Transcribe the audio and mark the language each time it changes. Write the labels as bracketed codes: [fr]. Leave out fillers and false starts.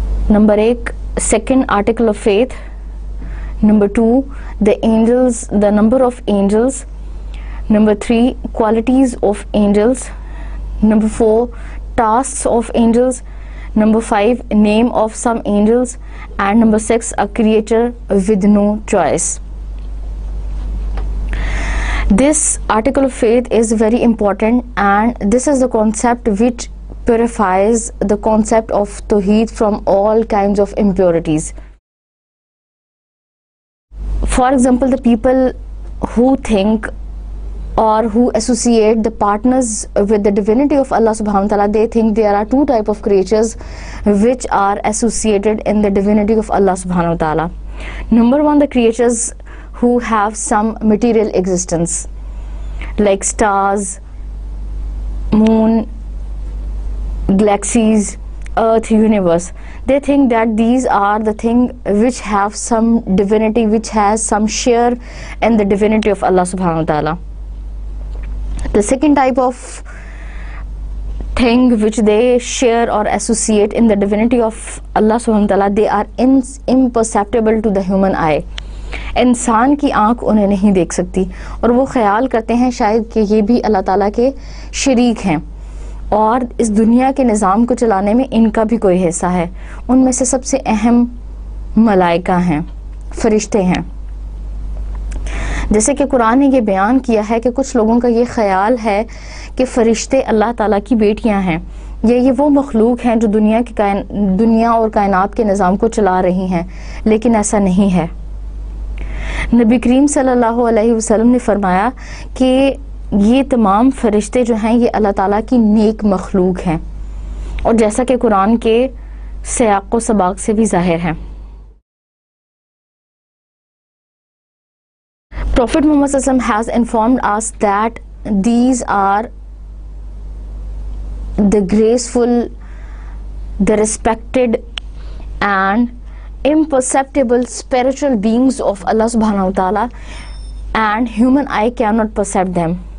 [en] Number एक, second article of faith. Number two, the angels, the number of angels. Number three, qualities of angels. Number four, task of angels. Number five, name of some angels. And number six, a creator with no choice. This article of faith is very important and this is the concept which purifies the concept of tawheed from all kinds of impurities. For example, the people who think or who associate the partners with the divinity of Allah subhanahu wa ta'ala, they think there are two type of creatures which are associated in the divinity of Allah subhanahu wa ta'ala. Number one, the creatures who have some material existence, like stars, moon, galaxies, earth, universe. They think that these are the thing which have some divinity, which has some share in the divinity of Allah subhanahu wa ta'ala. The second type of thing which they share or associate in the divinity of Allah subhanahu wa ta'ala, they are imperceptible to the human eye. [hi] इंसान की आंख उन्हें नहीं देख सकती और वो ख्याल करते हैं शायद कि ये भी अल्लाह ताला के शरीक हैं और इस दुनिया के निज़ाम को चलाने में इनका भी कोई हिस्सा है। उनमें से सबसे अहम मलाइका हैं, फरिश्ते हैं। जैसे कि कुरान ने ये बयान किया है कि कुछ लोगों का ये ख्याल है कि फरिश्ते अल्लाह ताला की बेटियाँ हैं, ये वो मखलूक हैं जो दुनिया के दुनिया और कायनात के निज़ाम को चला रही हैं, लेकिन ऐसा नहीं है। नबी करीम सल्लल्लाहु अलैहि वसल्लम ने फरमाया कि ये तमाम फरिश्ते जो हैं ये अल्लाह ताला की नेक मखलूक हैं, और जैसा कि कुरान के सियाक व सबाक से भी जाहिर है। [en] Prophet Muhammad सल्लम has informed us that these are the graceful, the respected and imperceptible spiritual beings of Allah subhanahu wa ta'ala, and human eye cannot perceive them.